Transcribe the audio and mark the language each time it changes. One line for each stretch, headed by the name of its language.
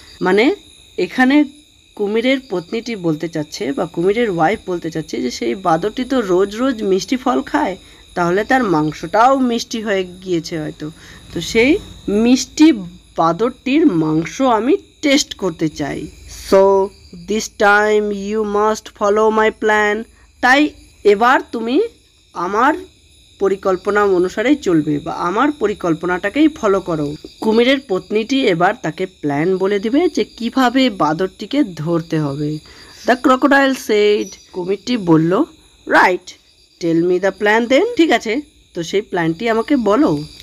Bangla: মানে এখানে কুমিরের পত্নীটি বলতে চাচ্ছে, বা কুমিরের ওয়াইফ বলতে চাচ্ছে যে সেই বাদরটি তো রোজ রোজ মিষ্টি ফল খায়, তাহলে তার মাংসটাও মিষ্টি হয়ে গিয়েছে হয়তো, তো সেই মিষ্টি বাদরটির মাংস আমি টেস্ট করতে চাই।
English: So, this time you must follow my plan.
Bangla: তাই এবার তুমি আমার পরিকল্পনা অনুসারেই চলবে, বা আমার পরিকল্পনাটাকেই ফলো করো। কুমিরের পত্নীটি এবার তাকে প্ল্যান বলে দিবে যে কিভাবে বাদরটিকে ধরতে হবে।
English: the crocodile said,
Bangla: কুমিরটি বলল,
English: right, tell me the plan then,
Bangla: ঠিক আছে, তো সেই প্ল্যানটি আমাকে বলো।